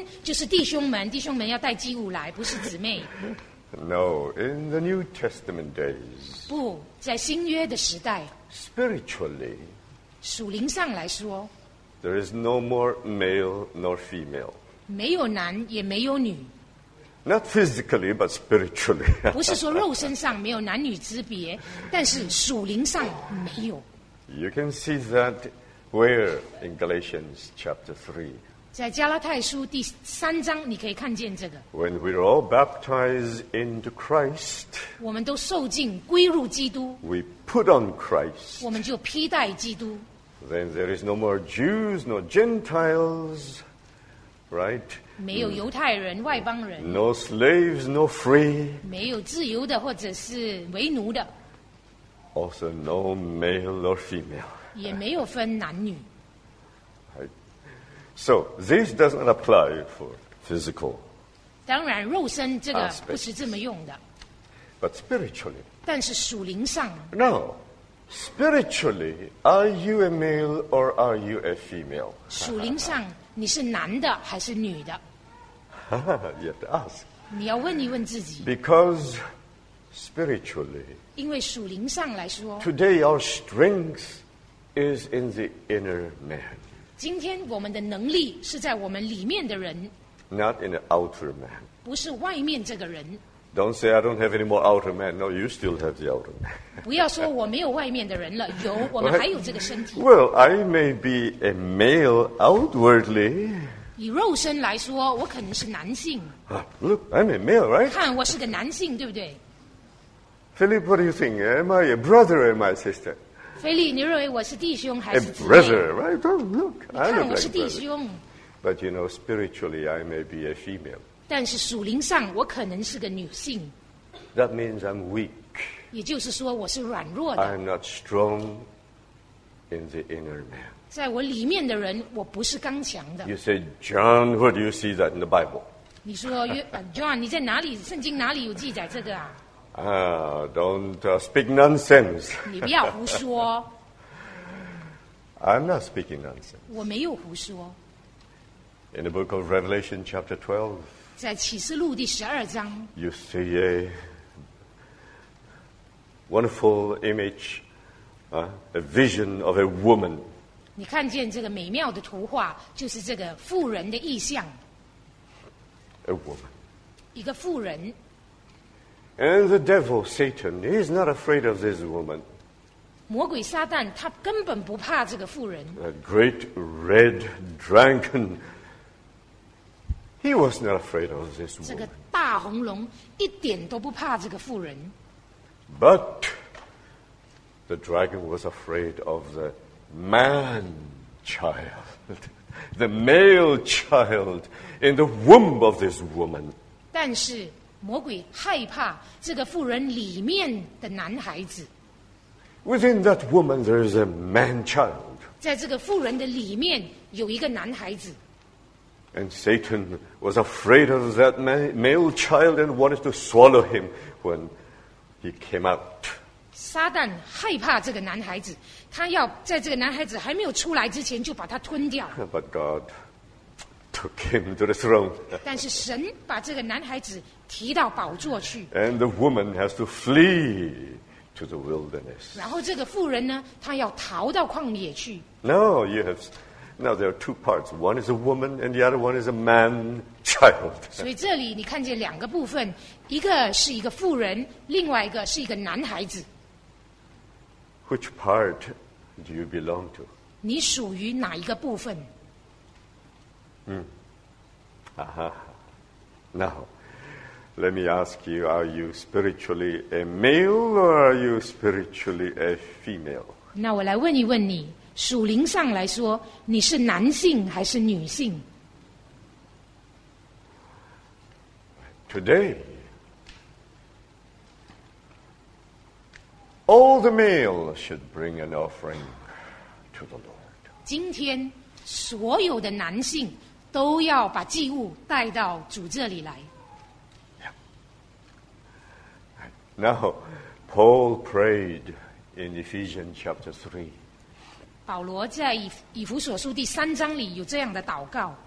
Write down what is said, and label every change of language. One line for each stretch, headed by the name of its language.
Chinese: 那我们不要乱乱应用说，哦，今天就是弟兄们，弟兄们要带祭物来，不是姊妹。
English: No, in the New Testament days.
Chinese: 不，在新约的时代。
English: Spiritually,
Chinese: 属灵上来说,
English: there is no more male nor female.
Chinese: 没有男也没有女,
English: not physically, but spiritually.
Chinese: 不是说肉身上没有男女之别, 但是属灵上没有。
English: You can see that where in Galatians chapter 3.
Chinese: 在加拉太书第三章，你可以看见这个。
English: When we are all baptized into Christ,
Chinese: 我们都受浸归入基督。
English: We put on Christ,
Chinese: 我们就披戴基督。
English: Then there is no more Jews nor Gentiles, right?
Chinese: 没有犹太人、外邦人。
English: No slaves nor free,
Chinese: 没有自由的或者是为奴的。
English: Also no male nor female,
Chinese: 也没有分男女。
English: So this does not apply for physical aspects, but spiritually.
Chinese: 但是属灵上,
English: now, spiritually, are you a male or are you a female?
Chinese: 属灵上你是男的还是女的?
English: You have to ask.
Chinese: 你要问一问自己。
English: Because spiritually,
Chinese: 因为属灵上来说,
English: today our strength is in the inner man.
Chinese: 今天我们的能力是在我们里面的人,
English: not in the outer man.
Chinese: 不是外面这个人。
English: Don't say I don't have any more outer man. No, you still have the outer man.
Chinese: 不要说我没有外面的人了, 有, 我们还有这个身体。
English: Well, I may be a male outwardly.
Chinese: 以肉身来说, 我可能是男性。
English: Look, I'm a male, right?
Chinese: 看我是个男性, 对不对?
English: Philip, what do you think? Am I a brother or am I a sister?
Chinese: 菲利，你认为我是弟兄还是姊妹?
English: A brother, right? Don't look.
Chinese: 你看我是弟兄。
English: But you know, spiritually, I may be a female.
Chinese: 但是属灵上，我可能是个女性。
English: That means I'm weak.
Chinese: 也就是说，我是软弱的。
English: I'm not strong in the inner man.
Chinese: 在我里面的人，我不是刚强的。
English: You say, John, where do you see that in the Bible?
Chinese: 你说，John，你在哪里？圣经哪里有记载这个啊？
English: Don't speak nonsense.
Chinese: 你不要胡说。
English: I'm not speaking nonsense.
Chinese: 我没有胡说。
English: In the book of Revelation chapter 12,
Chinese: 在启示录第十二章,
English: you see a wonderful image, a vision of a woman.
Chinese: 你看见这个美妙的图画, 就是这个妇人的意象。
English: A woman.
Chinese: 一个妇人。
English: And the devil, Satan, he is not afraid of this woman.
Chinese: 魔鬼撒旦他根本不怕这个妇人。
English: The great red dragon, he was not afraid of this woman.
Chinese: 这个大红龙一点都不怕这个妇人。
English: But the dragon was afraid of the man child, the male child in the womb of this woman.
Chinese: 但是魔鬼害怕这个妇人里面的男孩子。
English: Within that woman, there is a man-child.
Chinese: 在这个妇人的里面有一个男孩子。
English: And Satan was afraid of that male-child and wanted to swallow him when he came out.
Chinese: 撒旦害怕这个男孩子，他要在这个男孩子还没有出来之前就把他吞掉。
English: But God took him to the throne.
Chinese: 但是神把这个男孩子提到宝座去。
English: And the woman has to flee. To the wilderness.
Chinese: 然后这个妇人呢，她要逃到旷野去。
English: No, you have. Now there are two parts. One is a woman, and the other one is a man child.
Chinese: 所以这里你看见两个部分，一个是一个妇人，另外一个是一个男孩子。
English: Which part do you belong to?
Chinese: 你属于哪一个部分？
English: Now. Let me ask you, are you spiritually a male or are you spiritually a female?
Chinese: 那我来问一问你，属灵上来说，你是男性还是女性？
English: Today, all the male should bring an offering to the Lord.
Chinese: 今天，所有的男性都要把祭物带到主这里来。
English: Now, Paul prayed in Ephesians chapter 3.
Chinese: 保罗在以弗所书第三章里有这样的祷告。